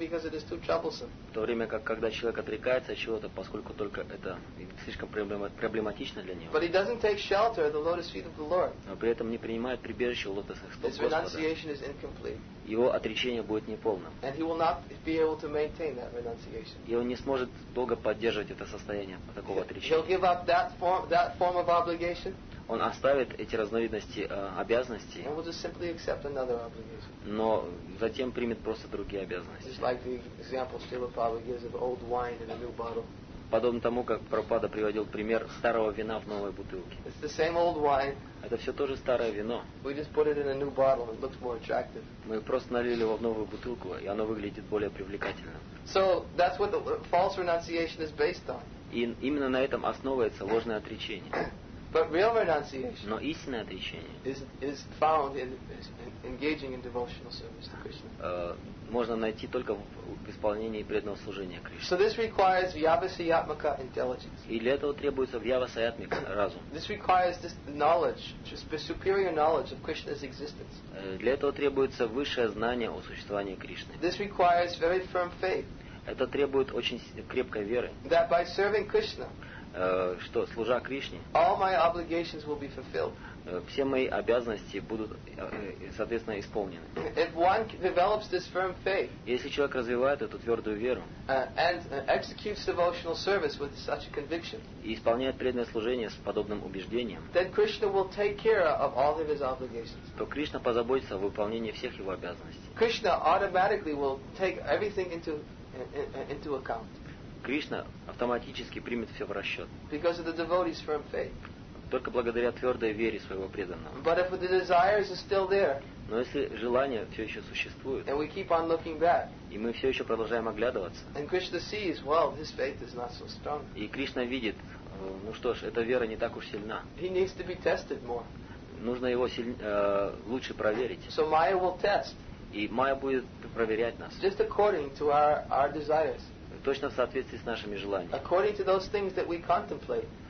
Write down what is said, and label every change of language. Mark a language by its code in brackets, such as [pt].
[ru] В то время как, когда человек отрекается от чего-то, поскольку только это слишком проблематично для него. [en] But he doesn't take shelter at the lotus feet of the Lord. [ru] Но при этом не принимает прибежище у лотосных стоп Господа. [en] His renunciation is incomplete. [ru] Его отречение будет неполным. [en] And he will not be able to maintain that renunciation. [ru] И он не сможет долго поддерживать это состояние такого отречения. [en] He'll give up that form of obligation. [ru] Он оставит эти разновидности обязанностей, [en] and we'll just simply accept another obligation. [ru] Но затем примет просто другие обязанности. [en] Just like the example Srila Prabhupada gives of old wine in a new bottle. [ru] Подобно тому, как Прабхупада приводил пример старого вина в новой бутылке. [en] It's the same old wine. [ru] Это все тоже старое вино. [en] We just put it in a new bottle. It looks more attractive. [ru] Мы просто налили его в новую бутылку, и оно выглядит более привлекательно. [en] So that's what the false renunciation is based on. [ru] И именно на этом основывается ложное отречение. [en] But real renunciation. [ru] Но истинное отречение. [en] Is found in engaging in devotional service to Krishna. [ru] Можно найти только в исполнении преданного служения Кришне. [en] So this requires vyavasayatmaka intelligence. [ru] И для этого требуется vyavasayatmaka разум. [en] This requires this knowledge, just superior knowledge of Krishna's existence. [ru] Для этого требуется высшее знание о существовании Кришны. [en] This requires very firm faith. [ru] Это требует очень крепкой веры. [en] That by serving Krishna. [ru] Что, служа Кришне, [en] all my obligations will be fulfilled. [ru] Все мои обязанности будут, соответственно, исполнены. [en] If one develops this firm faith, [ru] если человек развивает эту твердую веру, [en] and executes devotional service with such a conviction, [ru] и исполняет преданное служение с подобным убеждением, [en] then Krishna will take care of all of his obligations. [ru] То Кришна позаботится о выполнении всех его обязанностей. [en] Krishna automatically will take everything into account. [ru] Кришна автоматически примет все в расчет. [en] Because of the devotee's firm faith. [ru] только благодаря твердой вере своего преданного. [en] But if the desires are still there, [ru] но если желания все еще существуют, [en] and we keep on looking back, [ru] и мы все еще продолжаем оглядываться, [en] and Krishna sees, well, his faith is not so strong. [ru] И Кришна видит, ну что ж, эта вера не так уж сильна. [en] He needs to be tested more. [ru] Нужно его лучше проверить. [en] So Maya will test. [ru] И Майя будет проверять нас. [en] Just according to our desires. [ru] Точно в соответствии с нашими желаниями. [en] According to those things that we contemplate.